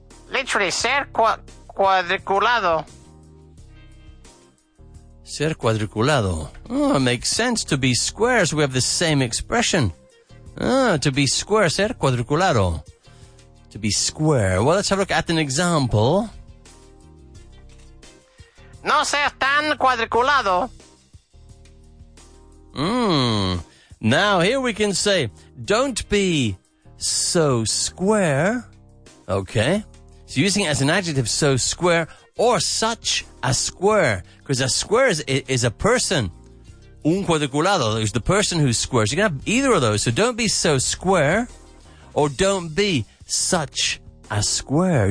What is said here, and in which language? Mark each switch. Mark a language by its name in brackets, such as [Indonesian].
[Spanish] Literally, ser cuadriculado. Ser cuadriculado. [English] Oh, it makes sense to be square, so we have the same expression. Oh, to be square, [Spanish] ser cuadriculado. [English] To be square. Well, let's have a look at an example. [Spanish] No ser tan cuadriculado. [English] Now here we can say, don't be so square. Okay. So using it as an adjective, so square, or such a square. Because a square is a person. [Spanish] Un cuadriculado [English] is the person who's square. So you can have either of those. So don't be so square, or don't be such a square.